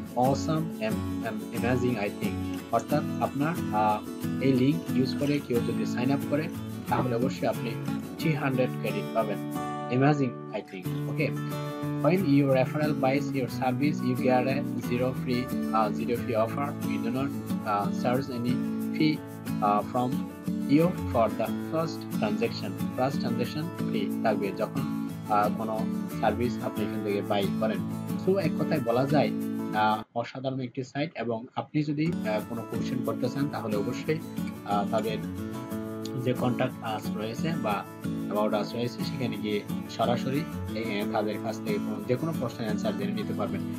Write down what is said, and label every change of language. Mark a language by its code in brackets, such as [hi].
[en] Awesome and amazing, I think. [bn] অর্থাৎ আপনার এই লিঙ্ক ইউজ করে কেউ যদি সাইন আপ করে তাহলে অবশ্যই আপনি 300 ক্রেডিট পাবেন। [en] Amazing, I think. Okay. When your referral buys your service, you get a zero fee offer. You do not charge any fee from you for the first transaction free [bn] থাকবে যখন কোনো service আপনি এখান থেকে by করেন। So এক কথায় বলা যায় অসাধারণ একটি সাইট, এবং আপনি যদি কোনো কোশ্চেন করতে চান তাহলে অবশ্যই তাদের যে কন্ট্যাক্ট আস রয়েছে বা অ্যাবাউট আস রয়েছে সেখানে গিয়ে সরাসরি তাদের কাছ থেকে যে কোনো প্রশ্নের অ্যান্সার জেনে নিতে পারবেন।